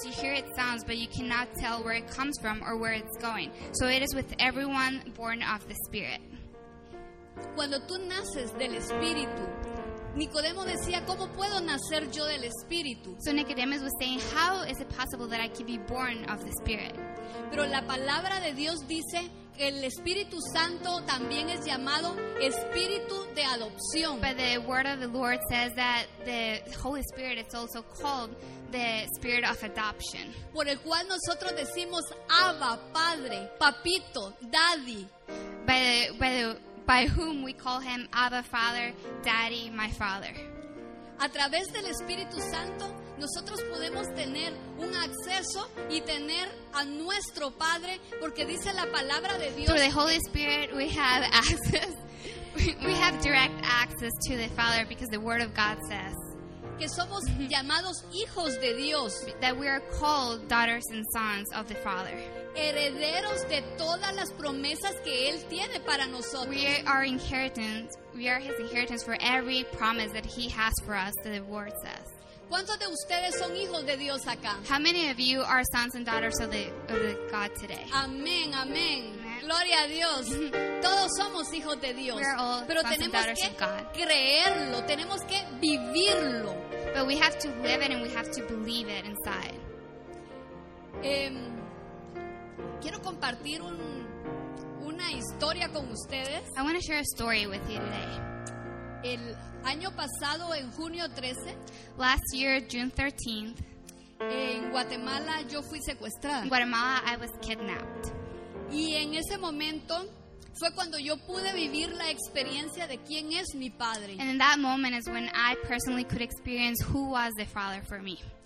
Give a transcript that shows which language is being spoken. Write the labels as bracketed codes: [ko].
[en] You hear its sounds, but you cannot tell where it comes from or where it's going. So it is with everyone born of the Spirit. [es] Cuando tú naces del Espíritu, Nicodemo decía, ¿cómo puedo nacer yo del Espíritu? [en] So Nicodemus was saying, how is it possible that I can be born of the Spirit? [es] Pero la palabra de Dios dice que el Espíritu Santo también es llamado Espíritu de adopción. [en] But the word of the Lord says that the Holy Spirit is also called the Spirit of Adoption. [es] Por el cual nosotros decimos, Abba, Padre, Papito, Daddy. [en] By whom we call him Abba, Father, Daddy, my Father. [es] A través del Espíritu Santo, nosotros podemos tener un acceso y tener a nuestro Padre, porque dice la palabra de Dios. [en] Through the Holy Spirit, we have access. We have direct access to the Father because the Word of God says. [es] Que somos llamados hijos de Dios. [en] That we are called daughters and sons of the Father. [es] Herederos de todas las promesas que Él tiene para nosotros. [en] We are His inheritance for every promise that He has for us, that the Word says. [es] ¿Cuántos de ustedes son hijos de Dios acá? [en] How many of you are sons and daughters of the God today? [es] Amén, amén. Gloria a Dios. Todos somos hijos de Dios. [en] We are all [es] Pero [en] sons and daughters of God. [es] Creerlo, tenemos que vivirlo. [en] But we have to live it and we have to believe it inside. [es] Quiero compartir una historia con ustedes. [en] I want to share a story with you today. [es] El año pasado, en junio 13, [en] last year, June 13th, [es] en Guatemala, yo fui secuestrada. [en] In Guatemala, I was kidnapped. [es] Y en ese momento fue cuando yo pude vivir la experiencia de quién es mi padre. [en] And in that moment is when I personally could experience who was the father for me.